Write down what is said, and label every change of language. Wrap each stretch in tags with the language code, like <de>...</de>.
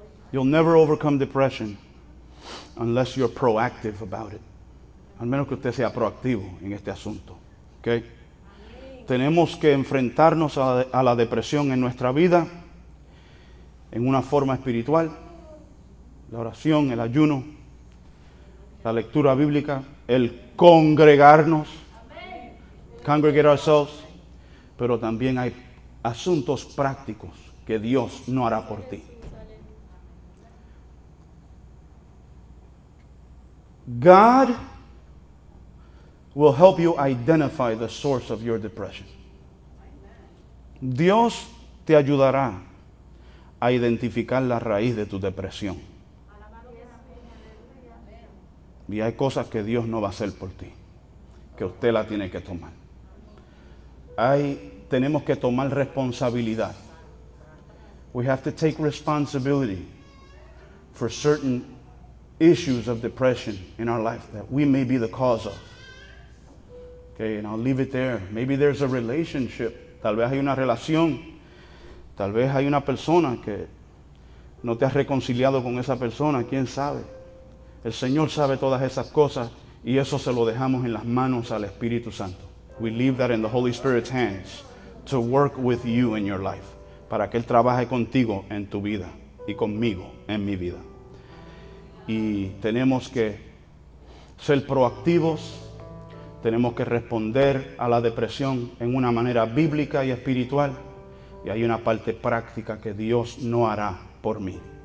<en>You'll never overcome depression unless you're proactive about it.</en> <es>Al menos que usted sea proactivo en este asunto. Okay? Tenemos que enfrentarnos a la depresión en nuestra vida en una forma espiritual. La oración, el ayuno, la lectura bíblica, el congregarnos.</es> <en>Congregate ourselves.</en> <es>Pero también hay asuntos prácticos que Dios no hará por ti.</es> <en>God will help you identify the source of your depression.</en> <es>Dios te ayudará a identificar la raíz de tu depresión. Y hay cosas que Dios no va a hacer por ti, que usted la tiene que tomar. Tenemos que tomar responsabilidad.</es> <en>We have to take responsibility for certain issues of depression in our life that we may be the cause of. Okay, and I'll leave it there. Maybe there's a relationship.</en> <es>Tal vez hay una relación. Tal vez hay una persona que no te has reconciliado con esa persona. ¿Quién sabe? El Señor sabe todas esas cosas y eso se lo dejamos en las manos al Espíritu Santo.</es> <en>We leave that in the Holy Spirit's hands to work with you in your life.</en> <es>Para que Él trabaje contigo en tu vida y conmigo en mi vida. Y tenemos que ser proactivos, tenemos que responder a la depresión en una manera bíblica y espiritual. Y hay una parte práctica que Dios no hará por mí.</es>